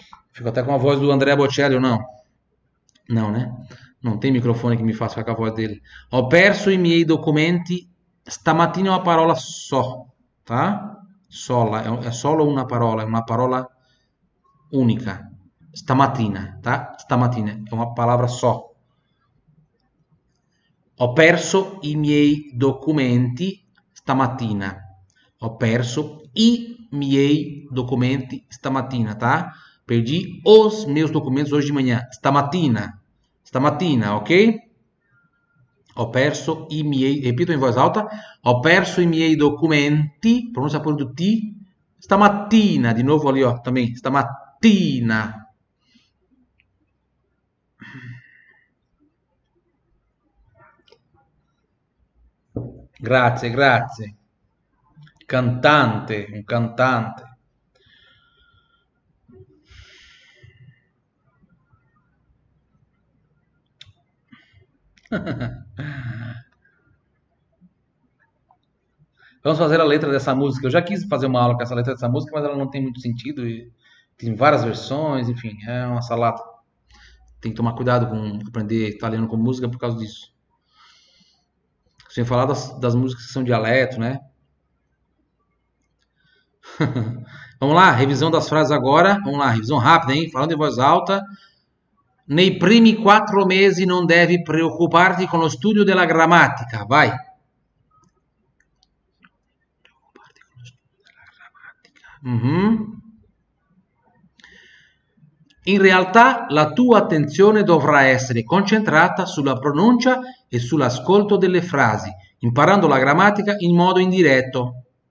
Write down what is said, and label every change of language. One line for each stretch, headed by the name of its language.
Portuguese: Fico até com a voz do Andrea Bocelli, ou não? Não, né? Não tem microfone que me faça ficar com a voz dele.
Italian: Ho perso i miei documenti. Stamattina è una parola só, tá? Sola, è solo una parola, è una parola unica. Stamattina, tá? Stamattina, è una parola só. Ho perso i miei documenti stamattina. Ho perso i miei documenti stamattina,
Portuguese: tá? Perdi os meus documentos hoje de manhã. Stamattina.
Italian: Stamattina, ok? Ho perso i miei, ripeto in voce alta, ho perso i miei documenti, pronuncia pure tu ti, stamattina, di nuovo lì ho, tamì, stamattina. Grazie. Cantante, un cantante.
Portuguese: Vamos fazer a letra dessa música. Eu já quis fazer uma aula com essa letra dessa música, mas ela não tem muito sentido e tem várias versões. Enfim, é uma salada. Tem que tomar cuidado com aprender italiano com música por causa disso. Sem falar das músicas que são dialeto, né? Vamos lá, revisão das frases agora. Vamos lá, revisão rápida, hein? Falando em voz alta.
Italian: Nei primi 4 mesi non devi preoccuparti con lo studio della grammatica.
Portuguese: Vai.
Italian: In realtà, la tua attenzione dovrà essere concentrata sulla pronuncia e sull'ascolto delle frasi, imparando la grammatica in modo indiretto.